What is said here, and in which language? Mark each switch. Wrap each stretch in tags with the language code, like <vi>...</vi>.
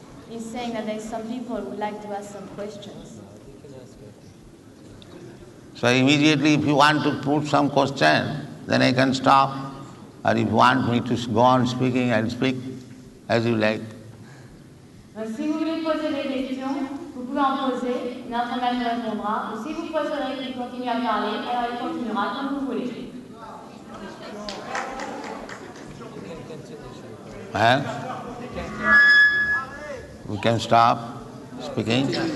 <en>He's saying that there are some people who would like to ask some questions. So immediately, if you want to put some question, then I can stop. Or if you want me to go on speaking, I'll speak as you like.</en> <fr>Si vous voulez poser des questions, vous pouvez en poser, notre maître répondra. Ou si vous poserez qu'il continue à parler, alors il continuera comme vous voulez.</fr> <en>Well, we can stop speaking.</en>